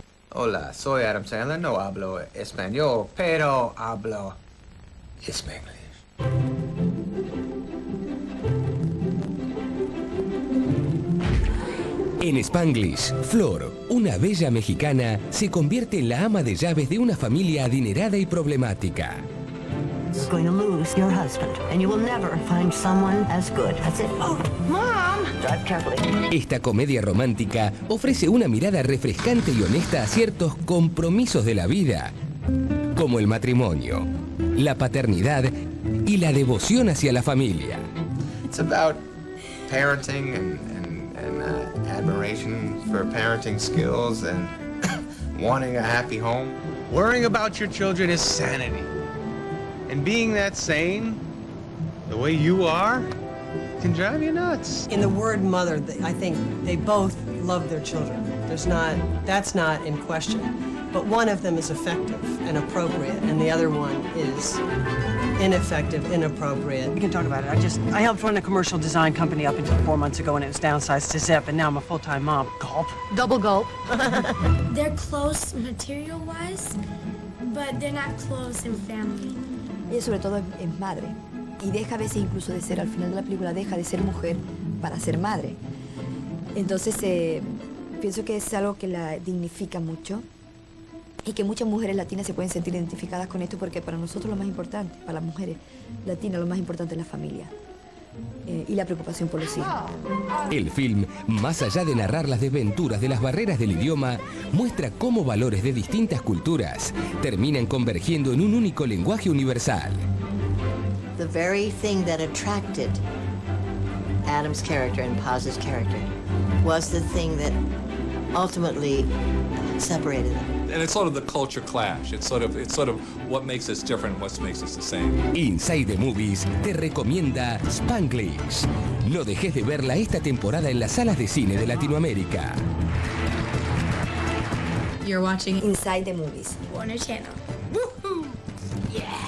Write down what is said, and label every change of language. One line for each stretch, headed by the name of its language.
Spanish: Hola, soy Adam Sandler, no hablo español, pero hablo Spanglish. En Spanglish, Flor, una bella mexicana, se convierte en la ama de llaves de una familia adinerada y problemática.
English: Going to lose your husband, and you will never find someone as good. That's it. Oh, Mom! Drive carefully.
Spanish: Esta comedia romántica ofrece una mirada refrescante y honesta a ciertos compromisos de la vida, como el matrimonio, la paternidad y la devoción hacia la familia.
English: It's about parenting and admiration for parenting skills and wanting a happy home. Worrying about your children is sanity. And being that sane, the way you are, can drive you nuts. In the word mother, I think they both love their children. That's not in question. But one of them is effective and appropriate, and the other one is ineffective, inappropriate. We can talk about it. I helped run a commercial design company up until 4 months ago, and it was downsized to zip, and now I'm a full-time mom. Gulp. Double gulp. They're close material-wise, but they're not close in family.
Spanish: Ella sobre todo es madre y deja a veces incluso de ser, al final de la película deja de ser mujer para ser madre. Entonces pienso que es algo que la dignifica mucho y que muchas mujeres latinas se pueden sentir identificadas con esto porque para nosotros lo más importante, para las mujeres latinas, lo más importante es la familia y la preocupación por los hijos. El film, más allá de narrar las desventuras de las barreras del idioma, muestra cómo valores de distintas culturas terminan convergiendo en un único lenguaje universal.
English: The very thing that attracted Adam's character and Paz's character was the thing that ultimately separated them. And it's sort of the culture clash. It's sort of what makes us different and what makes us the same.
Spanish: Inside the Movies te recomienda Spanglish. No dejes de verla esta temporada en las salas de cine de Latinoamérica.
English: You're watching Inside the Movies. Warner Channel. Woohoo! Yeah!